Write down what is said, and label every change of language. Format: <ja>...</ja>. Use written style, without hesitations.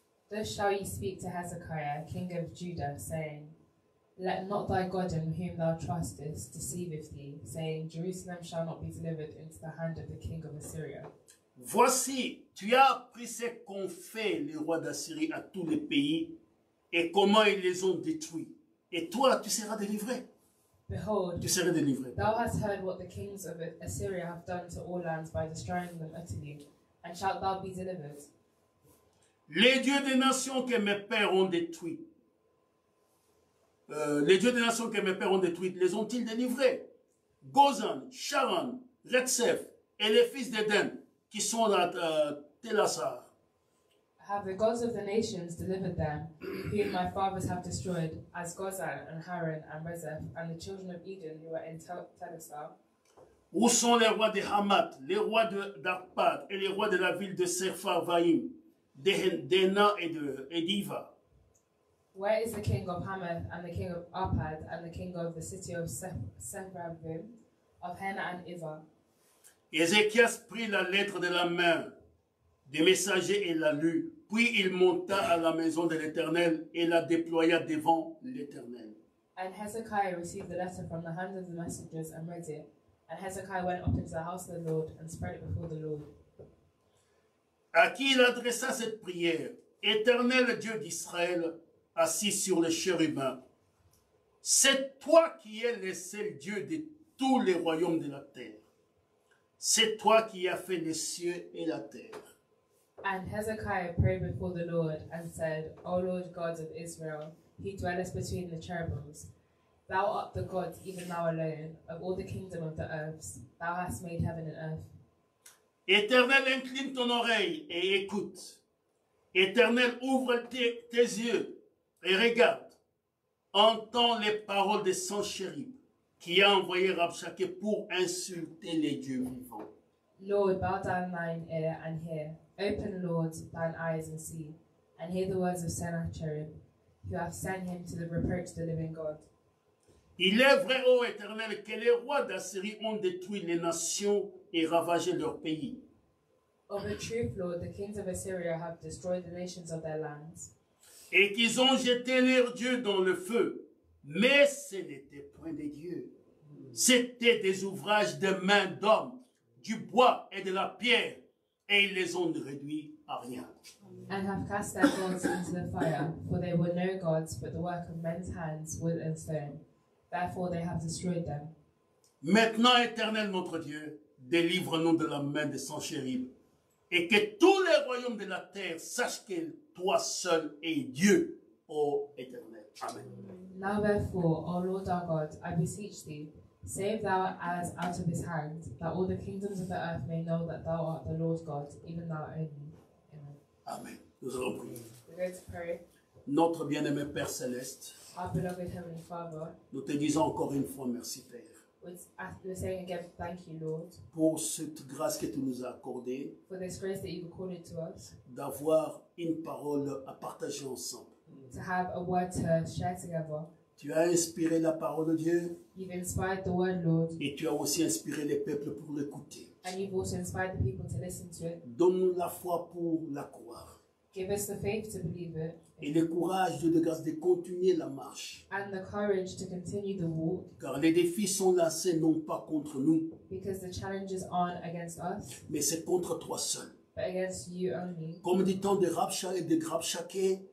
<en>Thus shall ye speak to Hezekiah, king of Judah, saying, let not thy God in whom thou trustest deceiveth thee, saying, Jerusalem shall not be delivered into the hand of the king of Assyria.</en> <fr>Voici, tu as appris ce qu'ont fait les rois d'Assyrie à tous les pays et comment ils les ont détruits. Et toi, tu seras délivré.</fr> <en>Behold,</en> <fr>tu seras délivré.</fr> <en>Thou hast heard what the kings of Assyria have done to all lands by destroying them utterly. and shalt thou be delivered.</en> <fr>Les dieux des nations que mes pères ont détruits, les ont-ils délivrés? Gozan, Charan, Retsef, et les fils d'Eden qui sont à Telassar.</fr> <en>Have the gods of the nations delivered them, whom my fathers have destroyed, as Gozan and Haran and Rezeph, and the children of Eden who are in Telassar?</en> <fr>Où sont les rois de Hamat, les rois de Darpad, et les rois de la ville de Sepharvaim, d'Ena et d'Iva?</fr> <en>Where is the king of Hamath, and the king of Arpad, and the king of the city of Sepharvaim, of Hena and Iva?</en> <fr>Ézéchias prit la lettre de la main des messagers et la lut. Puis il monta à la maison de l'Éternel et la déploya devant l'Éternel.</fr> <en>And Hezekiah received the letter from the hand of the messengers and read it. And Hezekiah went up into the house of the Lord and spread it before the Lord.</en> <fr>À qui il adressa cette prière? Éternel Dieu d'Israël, assis sur les chérubins, c'est toi qui es le seul Dieu de tous les royaumes de la terre. C'est toi qui as fait les cieux et la terre.</fr> <en>And Hezekiah prayed before the Lord and said, O Lord God of Israel, who dwellest between the cherubims, thou art the God, even thou alone, of all the kingdom of the earth. Thou hast made heaven and earth.</en> <fr>Éternel, incline ton oreille et écoute. Éternel, ouvre tes yeux et regarde. Entends les paroles des cent chérubins qui a envoyé Rabshakeh pour insulter les dieux vivants.</fr> <en>Lord, bow down thine ear and hear. Open, Lord, thine eyes and see, and hear the words of Sennacherib, who hath sent him to reproach the living God.</en> <fr>Il est vrai, ô Éternel, que les rois d'Assyrie ont détruit les nations et ravagé leur pays.</fr> <en>Of a truth, Lord, the kings of Assyria have destroyed the nations of their lands.</en> <fr>Et qu'ils ont jeté leurs dieux dans le feu. Mais ce n'était point des dieux. C'était des ouvrages de mains d'hommes, du bois et de la pierre, et ils les ont réduits à rien.</fr> <en>And have cast their gods into the fire, for they were no gods, but the work of men's hands, wood and stone. Therefore they have destroyed them.</en> <fr>Maintenant, Éternel notre Dieu, délivre-nous de la main de Sennacherib, et que tous les royaumes de la terre sachent que toi seul es Dieu, ô Éternel. Amen.</fr> <en>Now therefore, O Lord our God, I beseech thee, save thou as out of his hand, that all the kingdoms of the earth may know that thou art the Lord God, even thou only. Amen.</en> <fr>Amen. Nous allons prier.</fr> <en>We're going to pray.</en> <fr>Notre bien-aimé Père Céleste,</fr> <en>our beloved Heavenly Father,</en> <fr>nous te disons encore une fois merci Père.</fr> <en>We're saying again, thank you Lord,</en> <fr>pour cette grâce que tu nous as accordée,</fr> <en>for this grace that you've accorded to us,</en> <fr>d'avoir une parole à partager ensemble.</fr> <en>To have a word to share together.</en> <fr>Tu as inspiré la parole de Dieu.</fr> <en>You've inspired the word, Lord.</en> <fr>Et tu as aussi inspiré les peuples pour l'écouter.</fr> <en>And you've also inspired the people to listen to it.</en> <fr>Donne-nous la foi pour la croire.</fr> <en>Give us the faith to believe it.</en> <fr>Et le courage de grâce de continuer la marche.</fr> <en>And the courage to continue the walk.</en> <fr>Car les défis sont lancés non pas contre nous.</fr> <en>Because the challenges aren't against us.</en> <fr>Mais c'est contre toi seul.</fr> <en>But against you only.</en> <fr>Comme dit tant de Rabshakeh et de Grabshakeh.</fr>